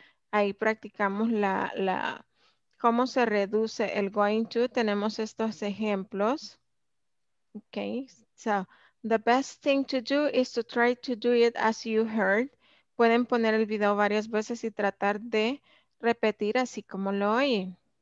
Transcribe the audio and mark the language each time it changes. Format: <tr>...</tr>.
<es>Ahí practicamos la cómo se reduce el going to. Tenemos estos ejemplos.</es> <en>Okay, so the best thing to do is to try to do it as you heard.</en> <es>Pueden poner el video varias veces y tratar de repetir así como lo oí.</es>